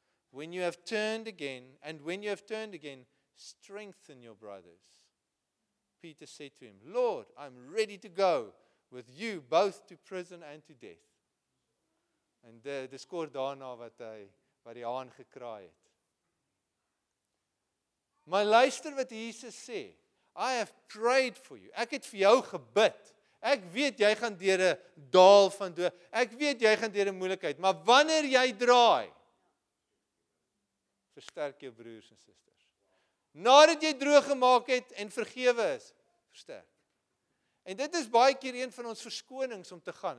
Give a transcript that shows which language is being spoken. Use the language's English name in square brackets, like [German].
[English] When you have turned again and when you have turned again, strengthen your brothers." Peter said to him, "Lord, I'm ready to go with you both to prison and to death." [Afrikaans] En dis kort daarna wat die haan gekraai het. Maar luister wat Jesus sê. [English] I have prayed for you. [Afrikaans] Ek het vir jou gebid. Ek weet jy gaan deur 'n daal van dood. Ek weet jy gaan deur 'n moeilikheid, maar wanneer jy draai, versterk jou broers en susters. Nadat jy droog gemaak het en vergewe is, versterk. En dit is baie keer een van ons verskonings om te gaan.